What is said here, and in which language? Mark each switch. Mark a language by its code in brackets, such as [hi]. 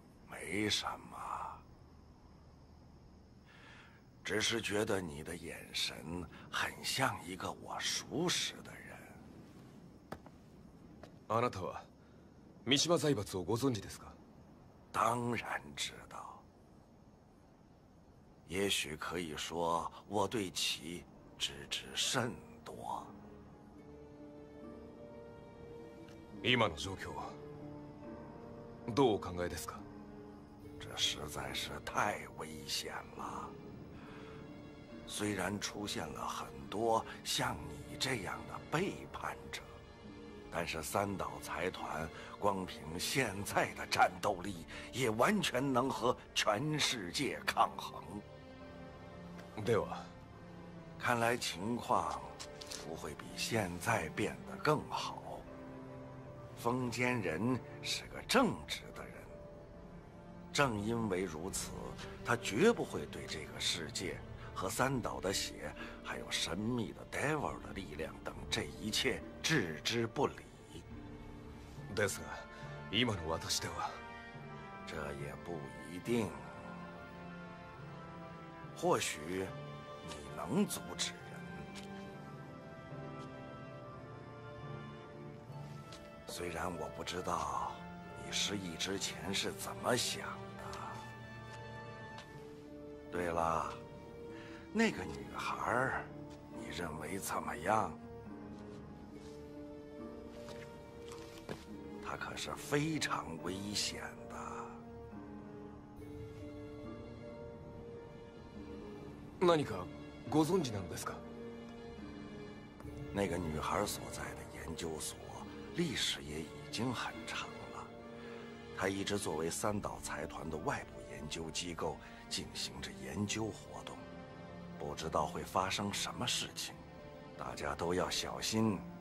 [zh] 没什么，只是觉得你的眼神很像一个我熟识的人。 [ja] あなたは三島財閥をご存知ですか？ [zh] 当然知道。也许可以说我对其知之甚多。 [ja] 今の状況は？どうお考えですか？ [zh] 这实在是太危险了。虽然出现了很多像你这样的背叛者，但是三岛财团光凭现在的战斗力，也完全能和全世界抗衡。对吧？看来情况不会比现在变得更好。风间人是个正直。正因为如此，他绝不会对这个世界和三岛的血还有神秘的 Devil 的力量等这一切置之不理。 [ja] ですが今の私では。 [zh] 这也不一定。或许你能阻止人。虽然我不知道你失忆之前是怎么想。对了，那个女孩你认为怎么样？她可是非常危险的。 [ja] 何かご存知なのですか？ [zh] 那个女孩所在的研究所历史也已经很长了，她一直作为三岛财团的外部研究机构进行着研究活动，不知道会发生什么事情，大家都要小心。